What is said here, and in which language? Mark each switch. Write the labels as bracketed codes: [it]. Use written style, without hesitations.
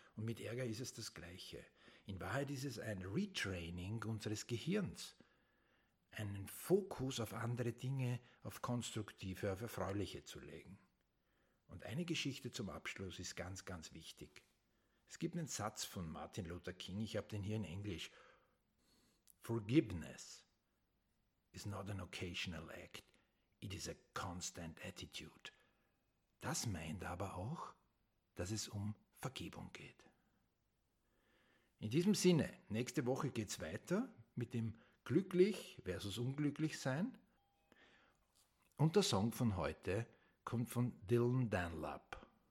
[de] Und mit Ärger ist es das Gleiche. In Wahrheit ist es ein Retraining unseres Gehirns. Einen Fokus auf andere Dinge, auf konstruktive, auf erfreuliche zu legen. Und eine Geschichte zum Abschluss ist ganz, ganz wichtig. Es gibt einen Satz von Martin Luther King, ich habe den hier in Englisch. [en] Forgiveness is not an occasional act, it is a constant attitude. [de] Das meint aber auch, dass es um Vergebung geht. In diesem Sinne, nächste Woche geht es weiter mit dem glücklich versus unglücklich sein. Und der Song von heute kommt von Dylan Dunlop.